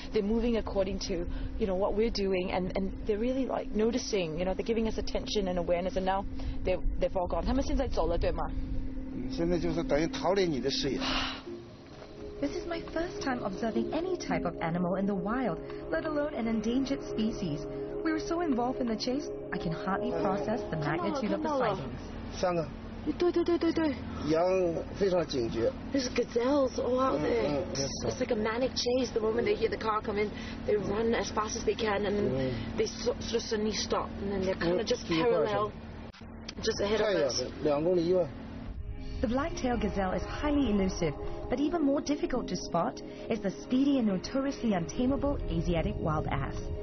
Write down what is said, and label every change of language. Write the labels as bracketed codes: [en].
[en] They're moving according to, you know, what we're doing, and they're really like noticing. You know, they're giving us attention and awareness. And now they've all gone. [zh] 他们现在走了，对吗？现在就是等于逃离你的视野。 [en] This is my first time observing any type of animal in the wild, let alone an endangered species. We were so involved in the chase, I can hardly process the magnitude of the sightings. [zh] 三个。对对对对对。羊非常警觉。 [en] There's gazelles all out there. It's like a manic chase. The moment they hear the car come in, they run as fast as they can, and then they sort of suddenly stop, and then they're kind of just parallel, just ahead of us. [zh] 2公里以外。 [en] The black-tailed gazelle is highly elusive, but even more difficult to spot is the speedy and notoriously untamable Asiatic wild ass.